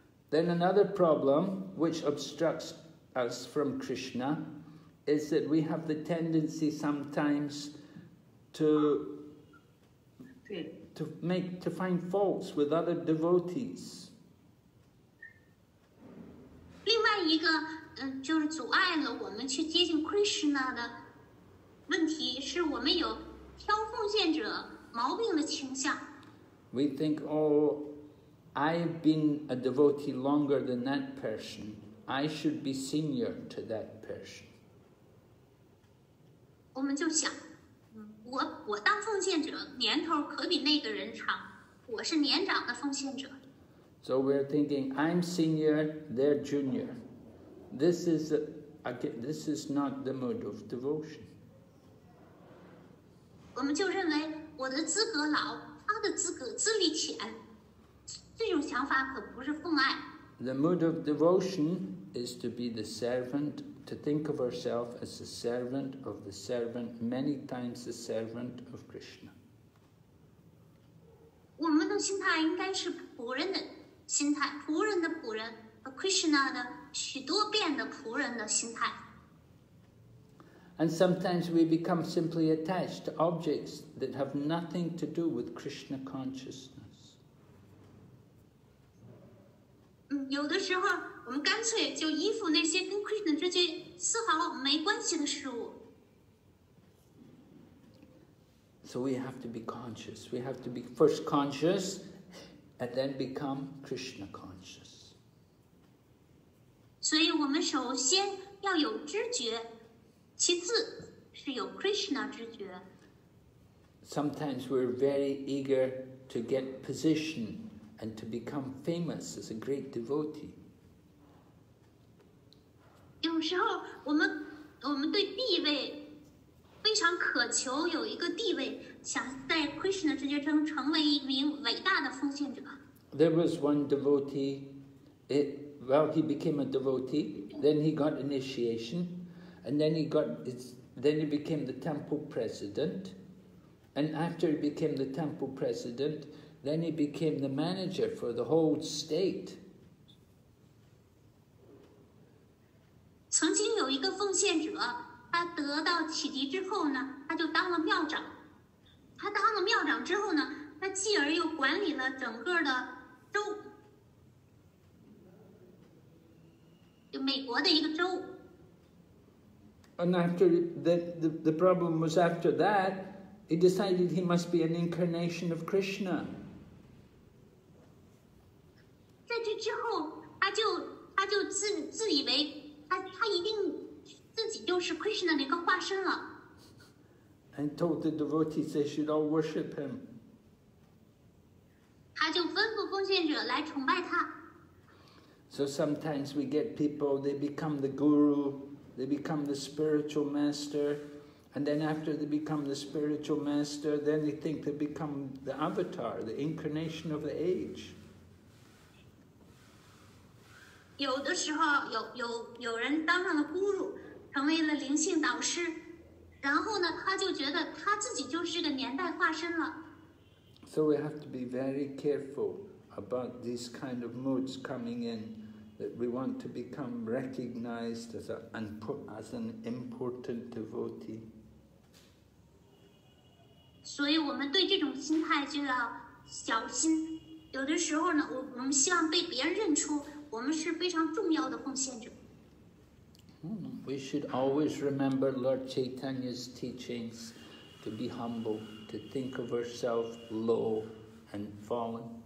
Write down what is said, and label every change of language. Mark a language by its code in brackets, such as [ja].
[en] Then another problem which obstructs us from Krishna is that we have the tendency sometimes to find faults with other devotees. [zh] 另外一个，就是阻碍了我们去接近 Krishna 的问题，是我们有挑奉献者毛病的倾向。 [en] We think, oh, I've been a devotee longer than that person. I should be senior to that person. [zh] 我们就想我当奉献者年头可比那个人长，我是年长的奉献者。 [en] So we're thinking, I'm senior, they're junior. This is not the mood of devotion. [zh] 我们就认为我的资格老，他的资历浅，这种想法可不是奉爱。 [en] The mood of devotion is to be the servant. To think of ourselves as the servant of the servant, many times the servant of Krishna. [zh] 我们的心态应该是仆人的心态，仆人的仆人 Krishna 的许多遍的仆人的心态。 [en] And sometimes we become simply attached to objects that have nothing to do with Krishna consciousness. [zh] 有的时候我们干脆就依附那些跟 Krishna 之间丝毫没关系的事物。 [en] So we have to be conscious. We have to be first conscious and then become Krishna conscious. [zh] 所以我们首先要有知觉。其次是有 Krishna 知觉。 [en] Sometimes we're very eager to get position and to become famous as a great devotee. [zh] 有时候我们对地位非常渴求有一个地位，想在 Krishna 知觉中成为一名伟大的奉献者。 [en] There was one devotee. He became a devotee. Then he got initiation. And then he became the temple president. And after he became the temple president, then he became the manager for the whole state. [zh] 曾经有一个奉献者，他得到启迪之后呢，他就当了庙长。他当了庙长之后呢，他继而又管理了整个的州，就美国的一个州。 [en] And after the problem was after that, he decided he must be an incarnation of Krishna. [zh] 在这之后，他就自以为他一定自己就是 Krishna 的一个化身了。 [en] And told the devotees they should all worship him. [zh] 他就吩咐奉献者来崇拜他。 [en] So sometimes we get people, they become the guru. They become the spiritual master, and then after they become the spiritual master, then they think they become the avatar, the incarnation of the age. [zh] 有的时候有人当上了 guru, 成为了灵性导师，然后呢，他就觉得他自己就是个年代化身了。 [en] So we have to be very careful about these kind of moods coming in. That we want to become recognized as an important devotee. [zh] 所以我们对这种心态就要小心。有的时候呢，我们希望被别人认出我们是非常重要的奉献者。 [en] We should always remember Lord Chaitanya's teachings to be humble, to think of ourselves low and fallen.